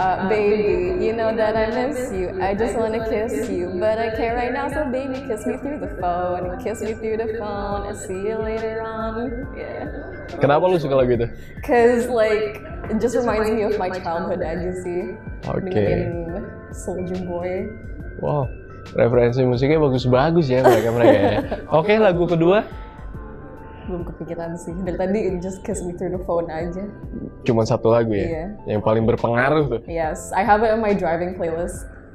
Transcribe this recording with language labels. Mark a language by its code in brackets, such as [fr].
[en] Baby, you know that I miss you. I just wanna kiss you, but I can't right now. So baby, kiss me through the phone. Kiss me through the phone. I'll see you later on. Yeah. [id] Kenapa lu suka lagu itu? [en] Cause like it just reminds me of my childhood, as you see. Okay. Soulja Boy. [id] Wow, referensi musiknya bagus ya mereka ya. Okay, lagu kedua. Belum kepikiran sih. Dari tadi [en] just kiss me through the phone [id] aja. Cuman satu lagu ya? Iya. Yang paling berpengaruh tuh. [en] Yes, I have it on my driving playlist.